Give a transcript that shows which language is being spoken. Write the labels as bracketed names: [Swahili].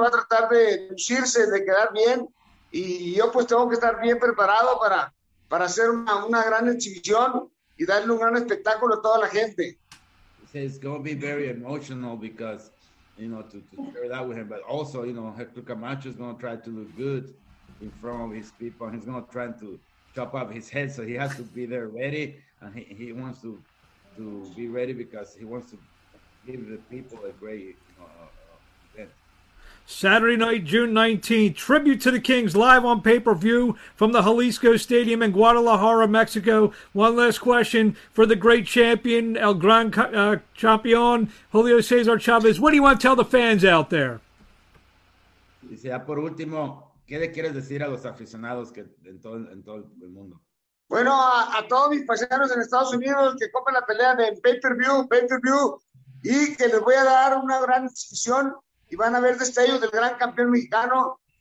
[Spanish] va a tratar de lucirse, de quedar bien, y yo pues tengo que estar bien preparado para hacer una gran exhibición y darle un gran espectáculo a toda la gente. [English] It's going to be very emotional because, you know, to share that with him, but also, you know, Héctor Camacho is going to try to look good in front of his people, and he's not trying to chop up his head, so he has to be there ready, and he wants to be ready because he wants to give the people a great event. Saturday night, June 19th, Tribute to the Kings, live on pay-per-view from the Jalisco Stadium in Guadalajara, Mexico. One last question for the great champion, El Gran Champion, Julio Cesar Chavez. What do you want to tell the fans out there? [Spanish] Ya por último, ¿qué le quieres decir a los aficionados que en todo el mundo? Bueno, a todos mis paisanos en Estados Unidos que compren la pelea en pay-per-view, y que les voy a dar una gran exhibición y van a ver destellos del gran campeón mexicano.